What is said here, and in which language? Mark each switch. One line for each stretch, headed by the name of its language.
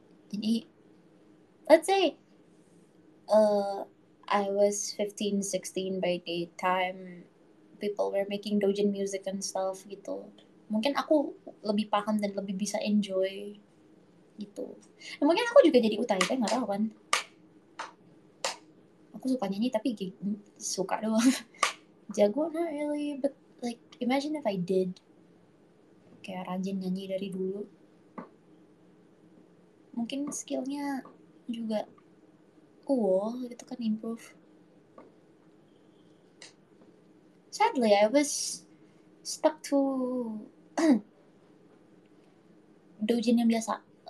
English: Jadi let's say I was 15-16 by the time people were making doujin music and stuff gitu,
Indonesian: mungkin aku lebih paham dan lebih bisa enjoy gitu. Dan mungkin aku juga jadi utaite, nggak tahu kan. Aku suka nyanyi tapi suka doang.
English: Jago, not really, but like, imagine if I did.
Indonesian: Kayak rajin nyanyi dari dulu. Mungkin skillnya juga gitu kan, improve.
English: Sadly, I was stuck to doujin
Indonesian: yang biasa.